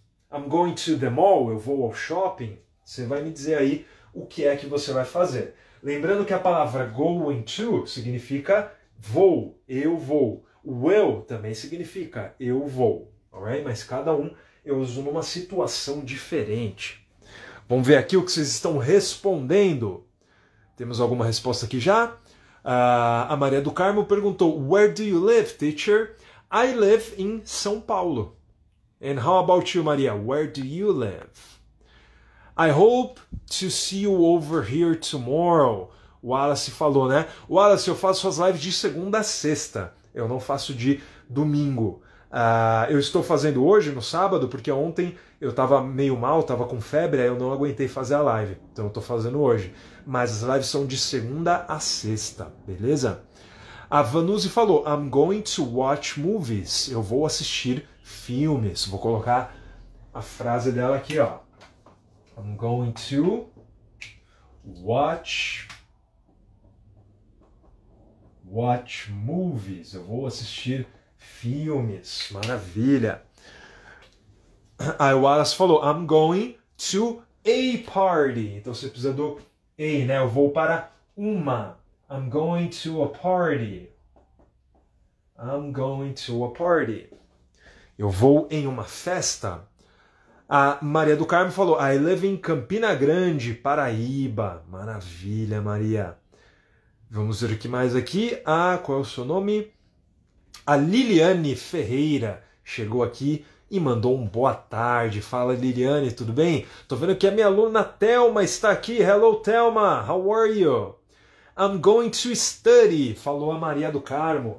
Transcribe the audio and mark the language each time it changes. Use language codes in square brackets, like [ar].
[en] I'm going to the mall, [pt] eu vou ao shopping. Você vai me dizer aí o que é que você vai fazer. Lembrando que a palavra going to significa vou, eu vou. Will também significa eu vou, alright? Mas cada um eu uso numa situação diferente. Vamos ver aqui o que vocês estão respondendo. Temos alguma resposta aqui já? A Maria do Carmo perguntou, [en] where do you live, teacher? I live in São Paulo. And how about you, Maria? Where do you live? I hope to see you over here tomorrow. [pt] Wallace falou, né? Wallace, eu faço as lives de segunda a sexta. Eu não faço de domingo. Eu estou fazendo hoje, no sábado, porque ontem eu estava meio mal, estava com febre, aí eu não aguentei fazer a live. Então eu estou fazendo hoje. Mas as lives são de segunda a sexta, beleza? A Vanuzi falou, [en] I'm going to watch movies. [pt] Eu vou assistir filmes. Vou colocar a frase dela aqui, ó. [en] I'm going to watch movies. [pt] Eu vou assistir filmes. Maravilha. Aí o Wallace falou, [en] I'm going to a party. [pt] Então você precisa do a, né? Eu vou para uma. [en] I'm going to a party. I'm going to a party. [pt] Eu vou em uma festa. A Maria do Carmo falou, [en] I live in Campina Grande, Paraíba. [pt] Maravilha, Maria. Vamos ver o que mais aqui. Ah, qual é o seu nome? A Liliane Ferreira chegou aqui e mandou um boa tarde. Fala, Liliane, tudo bem? Tô vendo que a minha aluna Thelma está aqui. [en] Hello, Thelma, how are you? I'm going to study, [pt] falou a Maria do Carmo.